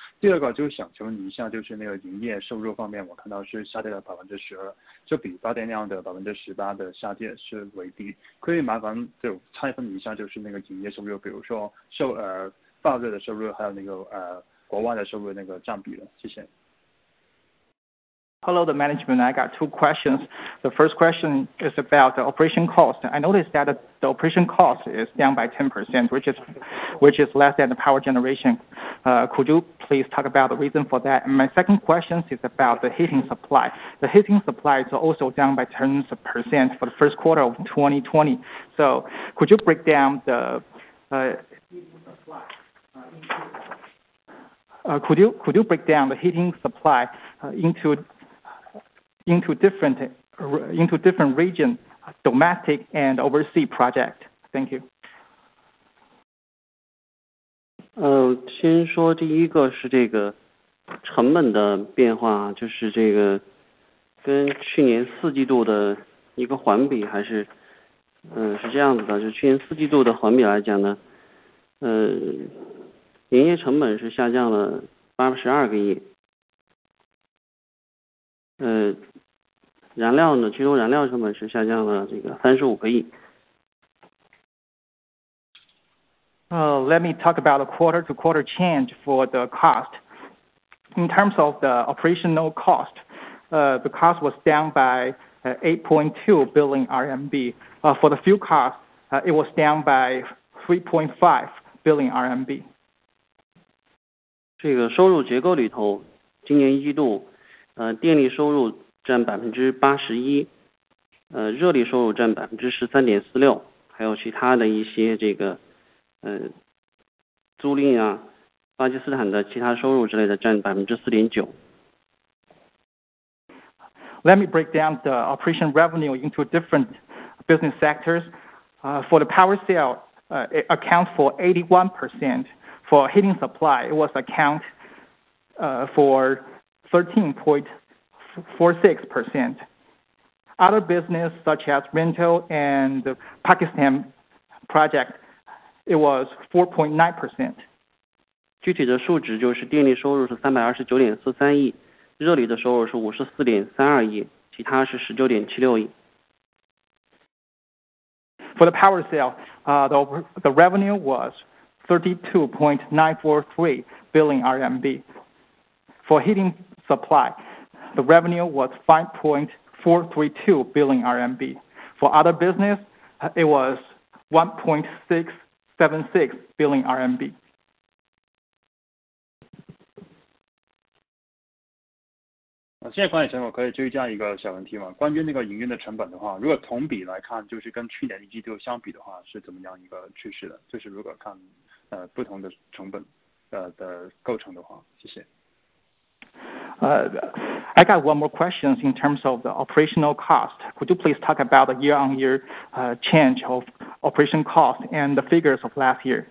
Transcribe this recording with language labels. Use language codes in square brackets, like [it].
[zh] 第二个就想请问一下，就是那个营业收入方面，我看到是下跌了12%，就比发电量的18%的下跌是为低，可以麻烦就拆分一下就是那个营业收入，比如说发热的收入还有那个国外的收入那个占比了，谢谢。 [en] Hello, the management. I got two questions. The first question is about the operation cost. I noticed that the operation cost is down by 10%, which is less than the power generation. Could you please talk about the reason for that? And my second question is about the heating supply. The heating supply is also down by 10% for the first quarter of 2020. So could you break down the could you break down the heating supply into different region, domestic and overseas project. Thank you. [zh] 先说第一个是这个成本的变化，就是这个跟去年四季度的一个环比，还是是这样子的，就去年四季度的环比来讲呢，营业成本是下降了82亿，燃料呢，汽油燃料成本是下降了这个35亿。 [en] Let me talk about a quarter-to-quarter change for the cost. In terms of the operational cost, the cost was down by 8.2 billion RMB. For the fuel cost, it was down by 3.5 billion RMB. [zh] 这个收入结构里头，今年一度，电力收入占81%，热力收入占13.46%，还有其他的一些这个。租赁啊，巴基斯坦的其他收入之类的占4.9%。 [en] Let me break down the operation revenue into different business sectors. For the power sale, it accounts for 81%. For heating supply, it was account for 13.46%. Other business such as rental and the Pakistan project. It was 4.9%. [zh] 具体的数值就是电力收入是329.43亿，热力的收入是54.32亿，其他是19.76亿。 [en] For the power sale, the revenue was 32.943 billion RMB. For heating supply, the revenue was 5.432 billion RMB. For other business, it was 1.676 billion RMB. [zh] 现在管理层，我可以追加一个小问题吗？关于那个营运的成本的话，如果同比来看，就是跟去年一季度相比的话，是怎么样一个趋势的？就是如果看不同的成本的构成的话，谢谢。 [en] I got one more question in terms of the operational cost. Could you please talk about the year-on-year change of operation cost and the figures of last year?